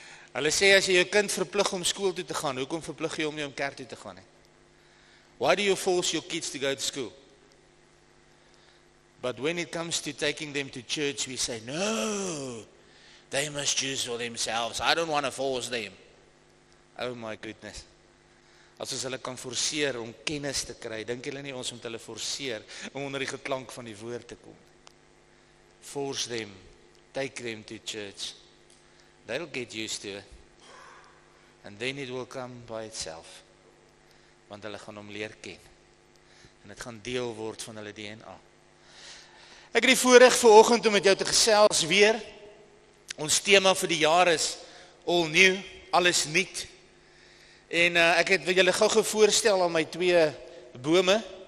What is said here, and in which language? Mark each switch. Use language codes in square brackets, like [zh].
[af] Hulle sê as jy jou kind verplig om skool toe te gaan, hoekom verplig jy hom nie om kerk toe te gaan nie? [en] Why do you force your kids to go to school? But when it comes to taking them to church, we say, no, they must choose for themselves. I don't want to force them. Oh my goodness. [af] As ons hulle kan forceer om kennis te kry, dink hulle nie ons moet hulle forceer om onder die geklank van die woord te kom. [en] Force them, take them to church. They'll get used to it. And then it will come by itself. [af] Want hulle gaan hom leer ken. En het gaan deel word van hulle DNA. Ek het die voorreg vanoggend om met jou te gesels weer. Ons thema vir die jaar is [en] all new, [af] alles nuut. En ek het wil julle gou voorstel aan my twee bome.